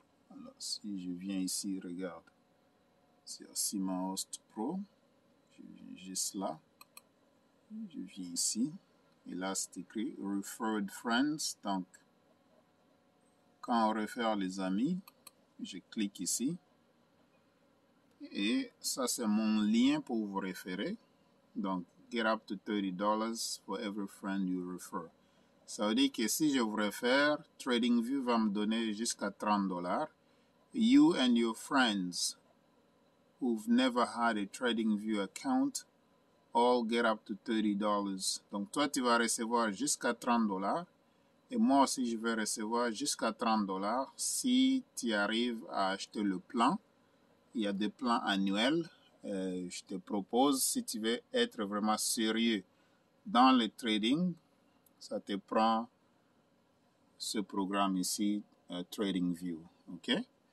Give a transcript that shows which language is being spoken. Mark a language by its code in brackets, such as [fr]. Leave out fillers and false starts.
[fr] Alors, si je viens ici, regarde, sur Simon Host Pro, je viens juste là, je viens ici, et là c'est écrit Referred Friends. Donc, quand on réfère les amis, je clique ici, et ça c'est mon lien pour vous référer. [en] Donc, Get up to $30 for every friend you refer. [fr] Ça veut dire que si je vous réfère, TradingView va me donner jusqu'à 30 dollars. [en] You and your friends who've never had a TradingView account all get up to $30. [fr] Donc, toi, tu vas recevoir jusqu'à 30 dollars. Et moi aussi, je vais recevoir jusqu'à 30 dollars si tu arrives à acheter le plan. Il y a des plans annuels. Je te propose, si tu veux être vraiment sérieux dans le trading, ça te prend ce programme ici, TradingView. Okay?